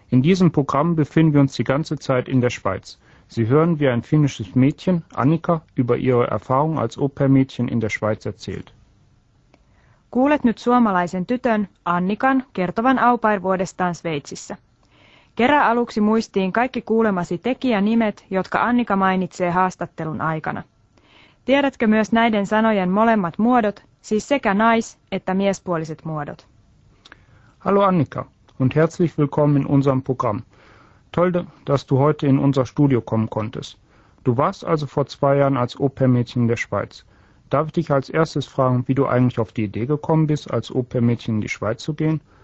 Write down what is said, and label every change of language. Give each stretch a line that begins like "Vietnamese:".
German: In diesem Programm befinden wir uns die ganze Zeit in der Schweiz. Sie hören, wie ein finnisches Mädchen, Annika, über ihre Erfahrung als Au-pair-Mädchen in der Schweiz erzählt.
Finnish: Kuulet nyt suomalaisen tytön, Annikan, kertovan au-pair-vuodestaan Sveitsissä. Kerää aluksi muistiin kaikki kuulemasi tekijänimet, jotka Annika mainitsee haastattelun aikana. Tiedätkö myös näiden sanojen molemmat muodot, siis sekä nais- että miespuoliset muodot?
German: Hallo Annika und herzlich willkommen in unserem Programm. Toll, dass du heute in unser Studio kommen konntest. Du warst also vor zwei Jahren als Au-pair-Mädchen in der Schweiz. Darf ich dich als erstes fragen, wie du eigentlich auf die Idee gekommen bist, als Au-pair-Mädchen in die Schweiz zu gehen?